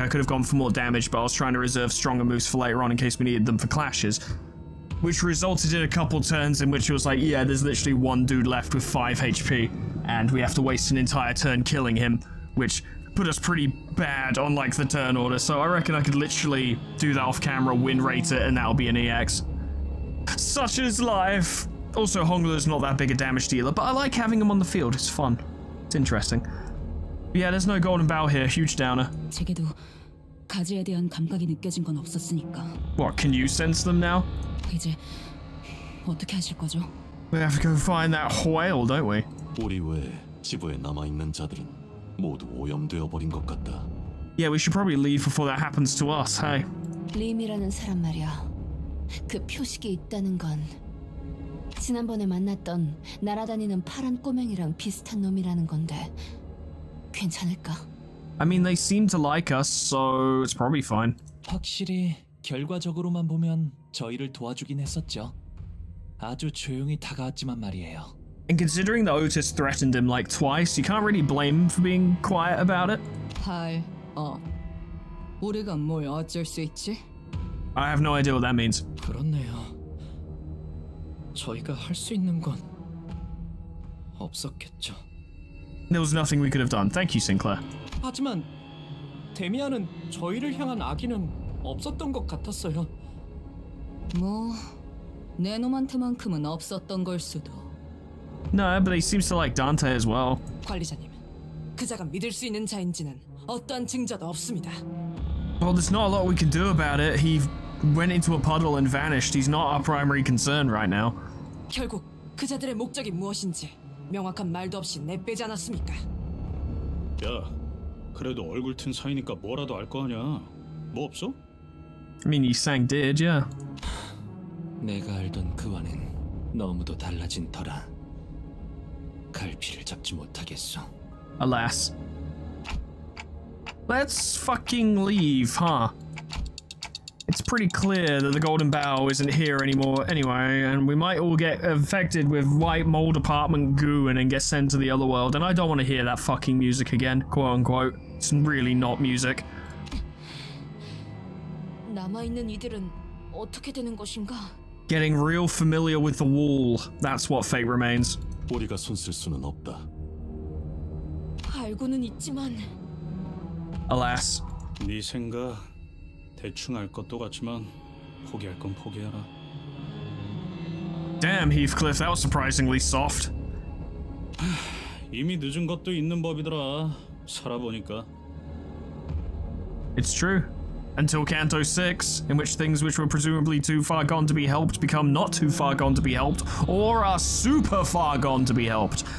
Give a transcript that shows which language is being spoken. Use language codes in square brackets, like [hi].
[en] I could have gone for more damage, but I was trying to reserve stronger moves for later on in case we needed them for clashes, which resulted in a couple turns in which it was like, yeah, there's literally one dude left with 5 HP, and we have to waste an entire turn killing him, which put us pretty bad on, like, the turn order, so I reckon I could literally do that off-camera, win rate it, and that'll be an EX. Such is life! Also, Hongler's not that big a damage dealer, but I like having him on the field. It's fun. It's interesting. But yeah, there's no golden bow here. Huge downer. [ko] 제게도 가지에 대한 감각이 느껴진 건 없었으니까. [en] What, can you sense them now? [ko] 이제 어떻게 하실 거죠? [en] We have to go find that whale, don't we? [ko] 우리 외 지부에 남아있는 자들은 모두 오염되어버린 것 같다. [en] Yeah, we should probably leave before that happens to us, hey? [ko] 림이라는 사람 말이야. 그 표식이 있다는 건 지난번에 만났던 날아다니는 파란 꼬맹이랑 비슷한 놈이라는 건데 괜찮을까? [en] I mean, they seem to like us, so it's probably fine. [ko] 확실히 결과적으로만 보면 저희를 도와주긴 했었죠. 아주 조용히 다가왔지만 말이에요. [en] And considering that Otis threatened him like twice, you can't really blame him for being quiet about it. [ko] 할, 우리가 뭘 어쩔 수 있지? [en] I have no idea what that means. [ko] 그렇네요. 저희가 할 수 있는 건 없었겠죠. [en] There was nothing we could have done. Thank you, Sinclair. [ko] 하지만 데미안은 저희를 향한 악의는 없었던 것 같았어요. 뭐, 내 놈한테만큼은 없었던 걸 수도. [en] No, but he seems to like Dante as well. [ko] 관리자님, 그자가 믿을 수 있는 자인지는 어떠한 증자도 없습니다. [en] Well, there's not a lot we can do about it. He went into a puddle and vanished. He's not our primary concern right now. [ko] 결국 그자들의 목적이 무엇인지 명확한 말도 없이 내빼지 않았습니까? 야, 그래도 얼굴 튼 사이니까 뭐라도 알 거 아니야. 뭐 없어? [en] I mean, you sang dead, yeah. [ko] 내가 알던 그와는 너무도 달라진 터라 갈피를 잡지 못하겠어. [en] Alas. Let's fucking leave, huh? It's pretty clear that the Golden Bough isn't here anymore anyway, and we might all get infected with white mold apartment goo and then get sent to the other world, and I don't want to hear that fucking music again, quote unquote. It's really not music. [ko] 남아있는 이들은 어떻게 되는 것인가? [en] Getting real familiar with the wall. That's what fate remains. [ko] 우리가 손쓸 수는 없다. 알고는 있지만... [en] Alas. [ko] 네 생각 대충 알 것도 같지만 포기할 건 포기하라. [en] Damn, Heathcliff, that was surprisingly soft. [ko] 이미 늦은 것도 있는 법이더라. 살아보니까. [en] It's true. Until Canto 6, in which things which were presumably too far gone to be helped become not too far gone to be helped, or are super far gone to be helped.